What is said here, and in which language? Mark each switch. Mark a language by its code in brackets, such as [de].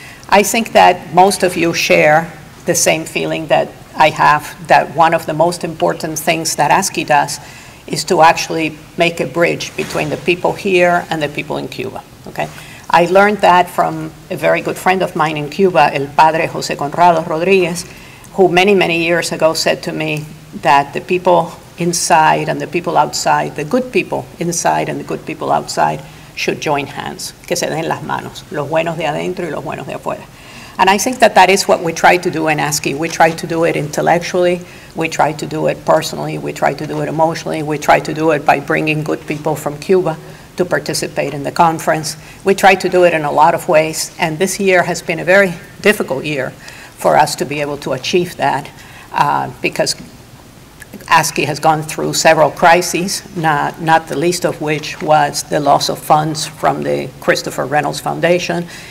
[en] I think that most of you share the same feeling that I have, that one of the most important things that ASCII does is to actually make a bridge between the people here and the people in Cuba, okay? I learned that from a very good friend of mine in Cuba, El Padre José Conrado Rodríguez, who many, many years ago said to me that the people inside and the people outside, the good people inside and the good people outside, should join hands. [es] Que se den las manos, los buenos de adentro y los buenos de afuera. [en] And I think that that is what we try to do in ASCII. We try to do it intellectually, we try to do it personally, we try to do it emotionally, we try to do it by bringing good people from Cuba to participate in the conference. We try to do it in a lot of ways, and this year has been a very difficult year for us to be able to achieve that, because ASCII has gone through several crises, not the least of which was the loss of funds from the Christopher Reynolds Foundation.